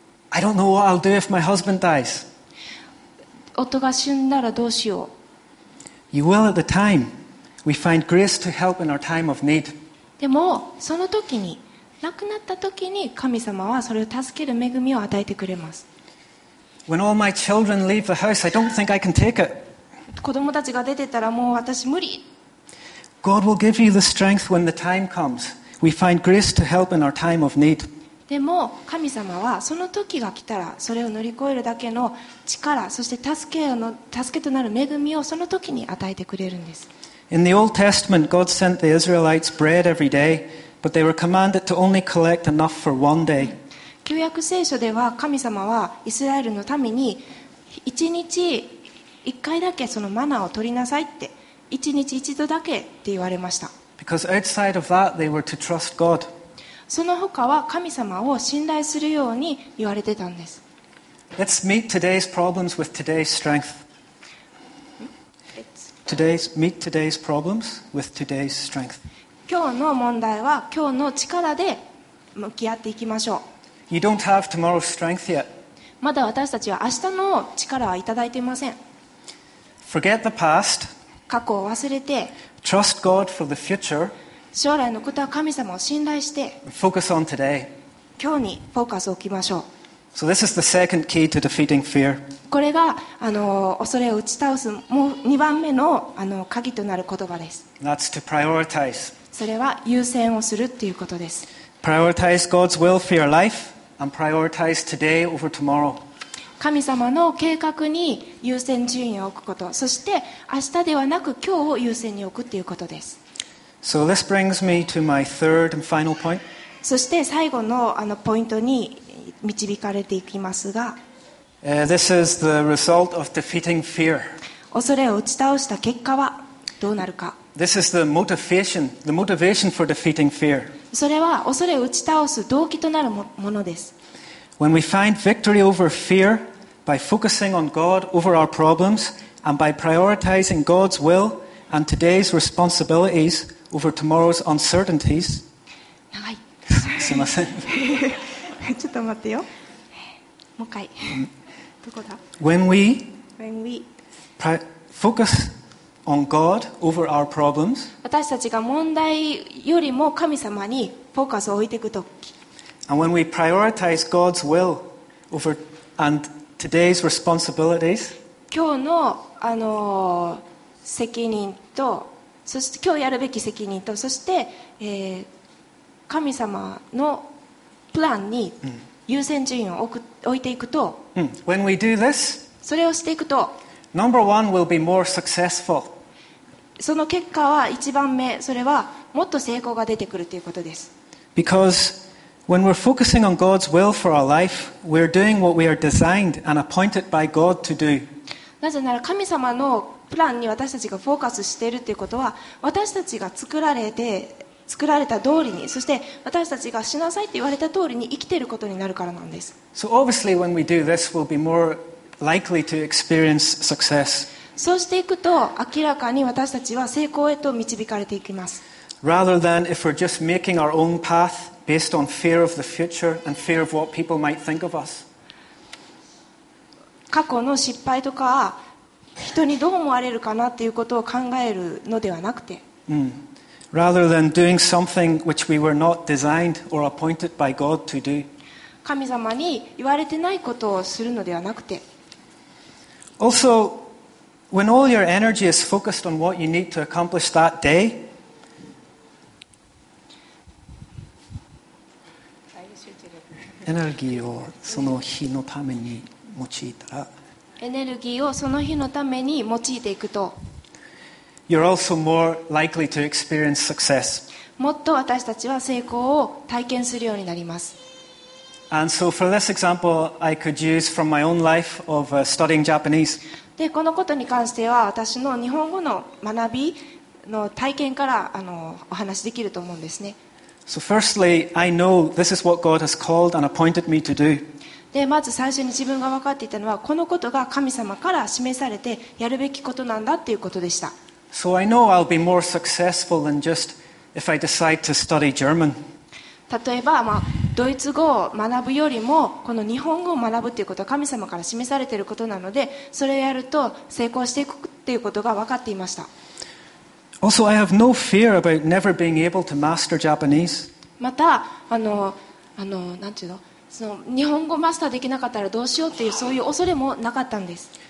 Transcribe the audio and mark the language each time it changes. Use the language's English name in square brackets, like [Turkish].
[English] I don't know what I'll do if my husband dies. [Japanese] 夫が死んだらどうしよう。 [English] You will at the time. We find grace to help in our time of need. [Japanese] でもその時に亡くなった時に神様はそれを助ける恵みを与えてくれます。 [English] When all my children leave the house, I don't think I can take it. [Japanese] 子供たちが出てたらもう私無理。 [English] God will give you the strength when the time comes. We find grace to help in our time of need. [Japanese] でも神様はその時が来たらそれを乗り越えるだけの力、そして助けとなる恵みをその時に与えてくれるんです。 [English] In the Old Testament, God sent the Israelites bread every day, but they were commanded to only collect enough for one day. [Japanese] 旧約聖書では神様はイスラエルのために1日1回だけそのマナーを取りなさいって、1日1度だけって言われました。 [English] Because outside of that, they were to trust God. [Japanese] その他は神様を信頼するように言われてたんです。 [English] Let's meet today's problems with today's strength. Meet today's problems with today's strength. [Japanese] 今日の問題は今日の力で向き合っていきましょう。 [English] You don't have tomorrow's strength yet. [Japanese] まだ私たちは明日の力はいただいていません。 [English] Forget the past. [Japanese] 過去を忘れて。 [English] Trust God for the future. [Japanese] 将来のことは神様を信頼して [English] Focus on today. [Japanese] 今日にフォーカスを置きましょう。 [English] So this is the second key to defeating fear. [Japanese] これが恐れを打ち倒すもう2番目 の鍵となる言葉です。 [English] That's to prioritize. [Japanese] それは優先をするということです。 [English] Prioritize God's will for your life and prioritize today over tomorrow. [Japanese] 神様の計画に優先順位を置くこと、そして明日ではなく今日を優先に置くということです。 [English] So this brings me to my third and final point. [Japanese] そして最後 のポイントに導かれていきますが、 [English] This is the result of defeating fear. [Japanese] 恐れを打ち倒した結果はどうなるか。 [English] This is the motivation for defeating fear. [Japanese] それは恐れを打ち倒す動機となる ものです。 [English] When we find victory over fear by focusing on God over our problems and by prioritizing God's will and today's responsibilitiesover tomorrow's uncertainties. [Japanese] はい。すいません。ちょっと待ってよ。もう一回。どこだ？ [English] When we focus on God over our problems. [Japanese] 私たちが問題よりも神様にフォーカスを置いていくとき。 [English] And when we prioritize God's will over and today's responsibilities. [Japanese] 今日の責任と。そして今日やるべき責任と、そして、神様のプランに優先順位を置いていくと、 [English] When we do this, [Japanese] それをしていくと、 [English] number one will be more successful. [Japanese] その結果は一番目、それはもっと成功が出てくるということです。 [English] Because when we're focusing on God's will for our life, we're doing what we are designed and appointed by God to do. [Japanese] なぜなら神様のプランに私たちがフォーカスしているということは、私たちが作られた通りに、そして私たちがしなさいと言われた通りに生きていることになるからなんです。 [English] So obviously when we do this, we'll be more likely to experience success. [Japanese] そうしていくと明らかに私たちは成功へと導かれていきます。 [English] Rather than if we're just making our own path based on fear of the future and fear of what people might think of us. [Japanese] 過去の失敗とか人にどう思われるかなっていうことを考えるのではなくて、 [English] Rather than doing something which we were not designed or appointed by God to do. [Japanese] 神様に言われてないことをするのではなくて。 [English] Also, when all your energy is focused on what you need to accomplish that day. [Japanese] エネルギーをその日のために用いたら。エネルギーをその日のために用いていくと。 [English] You're also more likely to experience success. [Japanese] もっと私たちは成功を体験するようになります。 [English] And so for this example, I could use from my own life of studying Japanese. [Japanese] で、このことに関しては私の日本語の学びの体験からお話しできると思うんですね。 [English] So firstly, I know this is what God has called and appointed me to do. [Japanese] で、まず最初に自分が分かっていたのは、このことが神様から示されてやるべきことなんだっていうことでした。 [English] So I know I'll be more successful than just if I decide to study German. [Japanese] 例えば、ドイツ語を学ぶよりもこの日本語を学ぶということは神様から示されていることなので、それをやると成功していくということが分かっていました。 [English] Also, I have no fear about never being able to master Japanese. [Japanese] また、なんていうの、その日本語をマスターできなかったらどうしようというそういう恐れもなかったんです。